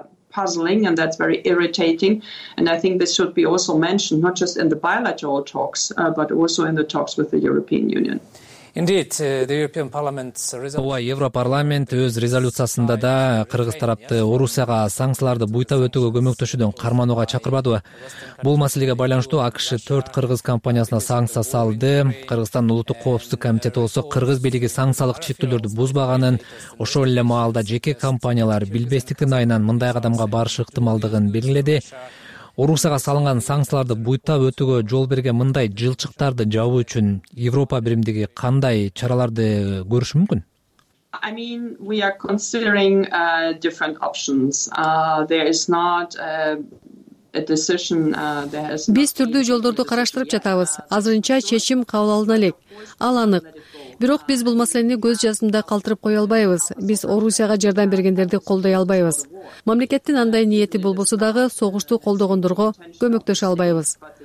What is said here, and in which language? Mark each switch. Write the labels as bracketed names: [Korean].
[English] Puzzling and that's very irritating, and I think this should be also mentioned not just in the bilateral talks but also in the talks with the European Union. Indeed, the European Parliament's resolution. [Kyrgyz] Ой, Европарламент өз резолюциясында да кыргыз тарапты Орусияга санкцияларды буйтап өтүүгө көмөктөшүүдөн карманууга чакырбадыбы? Бул маселеге байланыштуу АКШ 4 кыргыз компаниясына санкция салды. Кыргызстандын улуттук коопсуздук комитети болсо, кыргыз бийлиги санкциялык чектөөлөрдү бузбаганын, ошол эле маалда жеке компаниялар билбестиктин айынан мындай кадамга барышы ыктымалдыгын белгиледи. Орусияга салынган санкцияларды буйтап өтүүгө жол берген мындай жылчыктарды жабуу үчүн Европа биримдиги кандай чараларды көрүшү мүмкүн? [English] I mean, we are considering different options. There is not a decision there has [Kyrgyz] Биз түрдүү жолдорду караштырып жатабыз. Азырынча чечим кабыл алына элек. Ал анык. Бирок биз бул маселени көз жасында калтырып кое албайбыз. Биз Орусияга жардам бергендерди колдой албайбыз. Мамлекеттин андай ниети болбосо дагы согушту колдогондорго көмөктөшө албайбыз.